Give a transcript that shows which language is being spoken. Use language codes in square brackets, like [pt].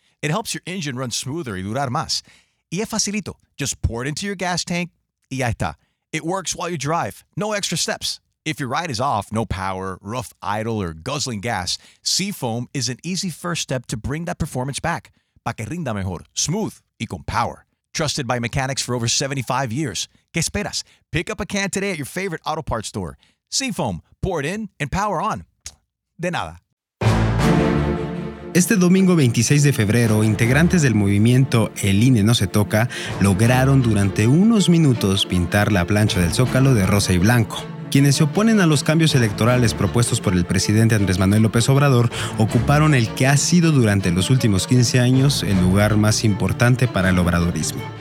[en] It helps your engine run smoother [es] y durar más. Y es facilito. [en] Just pour it into your gas tank [es] y ya está. [en] It works while you drive. No extra steps. If your ride is off, no power, rough idle, or guzzling gas, Seafoam is an easy first step to bring that performance back. [es] Pa' que rinda mejor, [en] smooth, [es] y con power. [en] Trusted by mechanics for over 75 years. [es] ¿Qué esperas? [en] Pick up a can today at your favorite auto parts store. Seafoam, pour it in and power on. [es] De nada. Este domingo 26 de febrero, integrantes del movimiento El INE no se toca lograron durante unos minutos pintar la plancha del Zócalo de rosa y blanco. Quienes se oponen a los cambios electorales propuestos por el presidente Andrés Manuel López Obrador ocuparon el que ha sido durante los últimos 15 años el lugar más importante para el obradorismo.